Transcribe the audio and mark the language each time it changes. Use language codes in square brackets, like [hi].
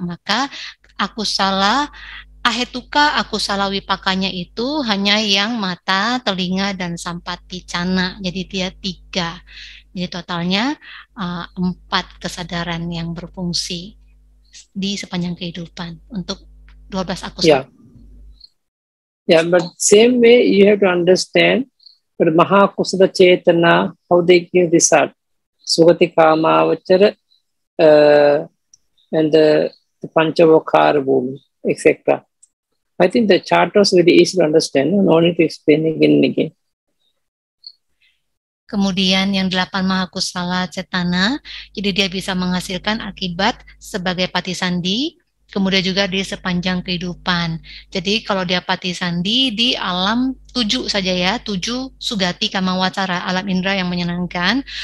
[id] Maka aku salah ahetuka aku salah wipakanya itu hanya yang mata, telinga dan sampati cana. Jadi dia 3. Jadi totalnya 4 kesadaran yang berfungsi di sepanjang kehidupan untuk 12 aku salah. [en] Yeah, but same way you have to understand for Mahakusala Chetana, how they give this up. Sugati Kama Vachara and the Panchavakara Bhumi, etc. I think the chart was very easy to understand, no need to explain again and again. [id] Kemudian yang 8 Mahakusala Chetana, jadi dia bisa menghasilkan akibat sebagai patisandi, kemudian juga di sepanjang kehidupan. Jadi kalau dia pati sandi di alam 7 saja ya, 7 sugati kamawacara, alam indra yang menyenangkan.